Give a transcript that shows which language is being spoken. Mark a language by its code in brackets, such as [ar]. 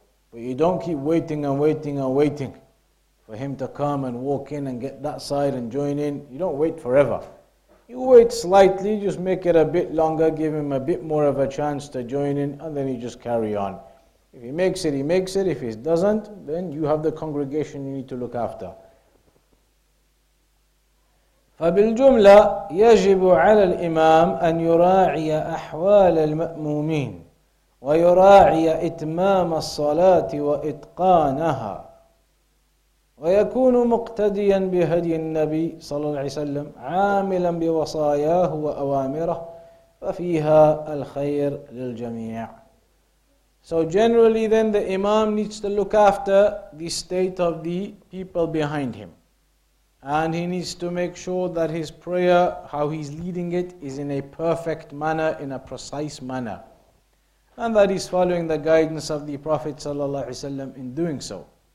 [en] But you don't keep waiting and waiting and waiting for him to come and walk in and get that side and join in. You don't wait forever. You wait slightly, just make it a bit longer, give him a bit more of a chance to join in, and then you just carry on. If he makes it, he makes it. If he doesn't, then you have the congregation you need to look after. [ar] فبالجملة يجب على الإمام أن يراعي أحوال المأمومين ويراعي إتمام الصلاة وإتقانها ويكون مقتديا بهدي النبي صلى الله عليه وسلم عاملا بوصاياه وأوامره ففيها الخير للجميع. [en] So generally then the Imam needs to look after the state of the people behind him. And he needs to make sure that his prayer, how he's leading it, is in a perfect manner, in a precise manner. And that he's following the guidance of the Prophet ﷺ in doing so.